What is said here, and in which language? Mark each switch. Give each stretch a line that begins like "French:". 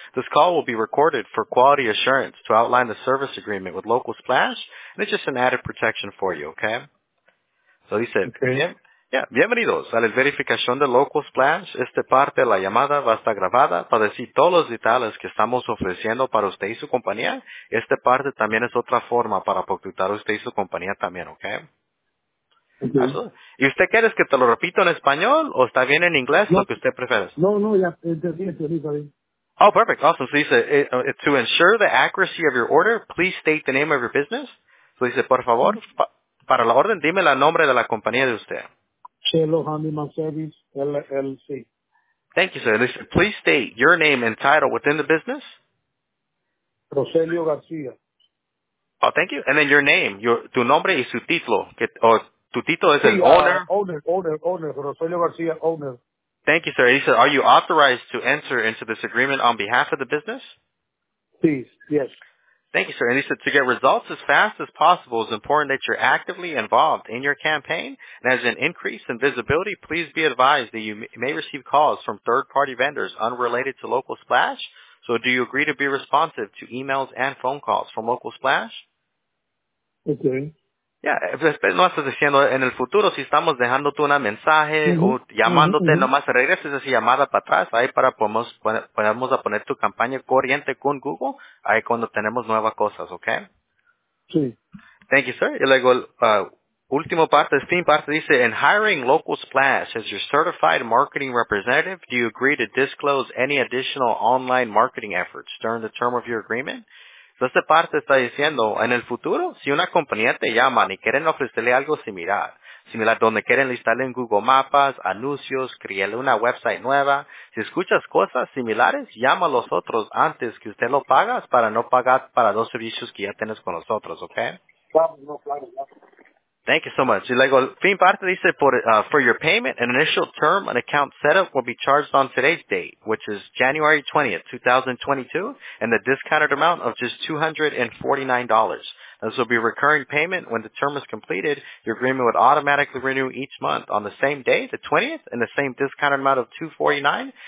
English: This call will be recorded for quality assurance to outline the service agreement with Local Splash. And it's just an added protection for you, ¿ok? So dice, okay.
Spanish: Yeah, bienvenidos a la verificación de Local Splash. Esta parte de la llamada va a estar grabada para decir todos los detalles que estamos ofreciendo para usted y su compañía. Esta parte también es otra forma para apuntar a usted y su compañía también, ¿ok? Uh-huh. ¿Y usted quiere que te lo repito en español o está bien en inglés, no, lo que usted prefiere? No, ya entendí.
English: Oh, perfect, awesome. So dice, to ensure the accuracy of your order, please state the name of your business.
Spanish: So dice, por favor, para la orden, dime el nombre de la compañía de usted.
English: Cello Handyman Service, LLC. Thank you, sir. Listen, please state your name and title within the business. Roselio García. Oh, thank you. And then your name,
Spanish: tu nombre y su título. Tu título es sí,
English: el owner. Owner. Roselio García, owner. Thank you, sir. He said, are you authorized to enter into this agreement on behalf of the business? Please, yes. Thank you, sir. And he said, to get results as fast as possible, it's important that you're actively involved in your campaign. And as an increase in visibility, please be advised that you may receive calls from third-party vendors unrelated to Local Splash. So do you agree to be responsive to emails and phone calls from Local Splash? Okay.
Spanish: Yeah, no estás diciendo en el futuro si estamos dejándote una mensaje o llamándote, nomás regreses esa llamada para atrás, ahí para podemos poner tu campaña corriente con Google, ahí cuando tenemos nuevas cosas, ¿ok? Sí.
English: Thank you, sir.
Spanish: Y luego, último parte, fin parte, dice,
English: in hiring Local Splash as your certified marketing representative, do you agree to disclose any additional online marketing efforts during the term of your agreement?
Spanish: Entonces, parte está diciendo, en el futuro, si una compañía te llama y quieren ofrecerle algo similar, donde quieren listarle en Google Maps, anuncios, crearle una website nueva, si escuchas cosas similares, llama a los otros antes que usted lo pagas para no pagar para dos servicios que ya tienes con nosotros, ¿ok? Claro.
English: Thank you so much.
Spanish: Y luego, fin parte dice,
English: for your payment, an initial term and account setup will be charged on today's date, which is January 20th, 2022, and the discounted amount of just $249. This will be a recurring payment. When the term is completed, your agreement would automatically renew each month on the same day, the 20th, and the same discounted amount of $249.